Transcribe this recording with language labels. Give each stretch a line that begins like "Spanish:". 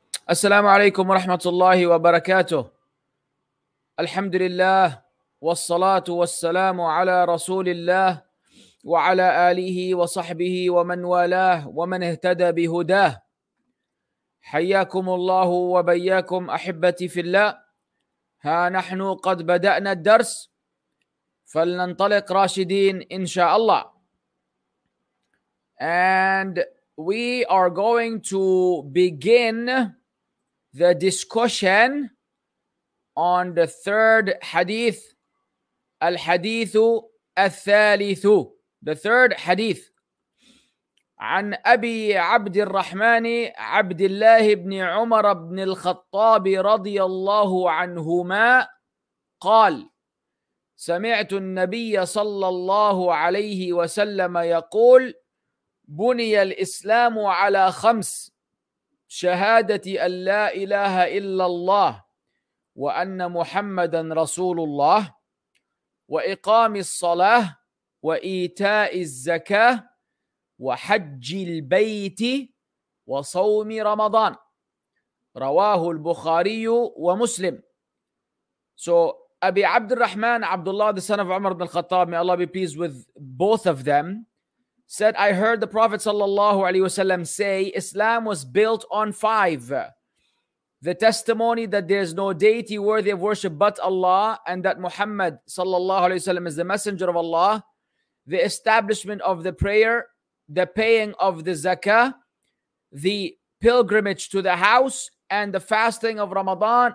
Arabic: السلام عليكم ورحمة الله وبركاته. الحمد لله والصلاة والسلام على رسول الله وعلى آله وصحبه ومن والاه ومن اهتدى بهداه. حياكم الله وبياكم أحبتي في الله. ها نحن قد بدأنا الدرس، فلننطلق راشدين إن شاء الله.
English: And we are going to begin the discussion on the third hadith.
Arabic: الحديث الثالث.
English: The third hadith.
Arabic: عن أبي عبد الرحمن عبد الله بن عمر بن الخطاب رضي الله عنهما قال سمعت النبي صلى الله عليه وسلم يقول بني الإسلام على خمس: شهادة أن لا إله إلا الله وأن محمدا رسول الله، وإقام الصلاة، وإيتاء الزكاة، وحج البيت، وصوم رمضان. رواه البخاري ومسلم.
English: So أبي عبد الرحمن عبد الله the son of عمر بن الخطاب, may Allah be pleased with both of them, said I heard the Prophet sallallahu alaihi wasallam say Islam was built on five: the testimony that there is no deity worthy of worship but Allah, and that Muhammad sallallahu alaihi wasallam is the messenger of Allah; the establishment of the prayer; the paying of the zakah; the pilgrimage to the house; and the fasting of Ramadan.